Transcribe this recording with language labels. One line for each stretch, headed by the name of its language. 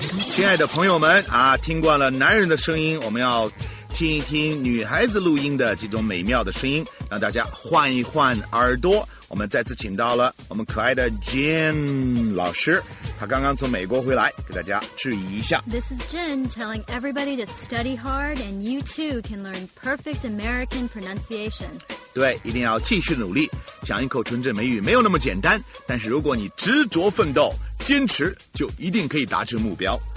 Chinese: 亲爱的朋友们啊，听惯了男人的声音，我们要听一听女孩子录音的这种美妙的声音，让大家换一换耳朵。我们再次请到了我们可爱的 Jen 老师，她刚刚从美国回来，给大家质疑一下。
English: This is Jen telling everybody to study hard, and you too can learn perfect American pronunciation.
Chinese: 对，一定要继续努力，讲一口纯正美语没有那么简单，但是如果你执着奋斗，坚持，就一定可以达成目标。